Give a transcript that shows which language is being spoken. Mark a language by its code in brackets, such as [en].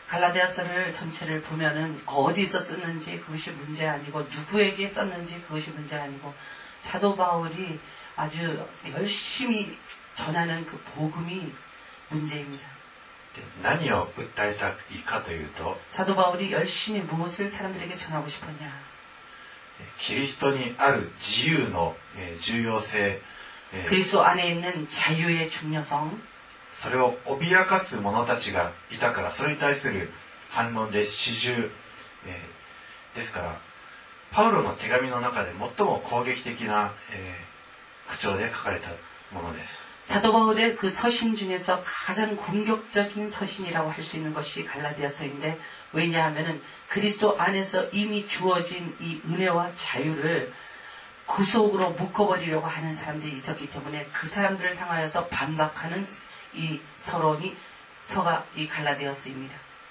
[ko] ガラテヤ서를전체를보면은어디서썼는지그것이문제아니고누구에게썼는지그것이문제아니고사도바울이아주열심히전하는그복음이문제입니다。 [ja] 何を訴えたいかというと、 [ko] 사도바울이열심히무엇을사람들에게전하고싶었냐、 [ja] キリストにある自由の重要性、 [ko] 그리스도안에있는자유의중요성、 [ja] それを脅かす者たちがいたから、それに対する反論で始終、ですからパウロの手紙の中で最も攻撃的な、口調で書かれたものです。 [ko] 사도바울의그서신중에서가장공격적인서신이라고할수있는것이갈라디아서인데왜냐하면은그리스도안에서이미주어진이은혜와자유를구속으로묶어버리려고하는사람들이있었기때문에그사람들을향하여서반박하는이서론이서가이갈라디아서입니다。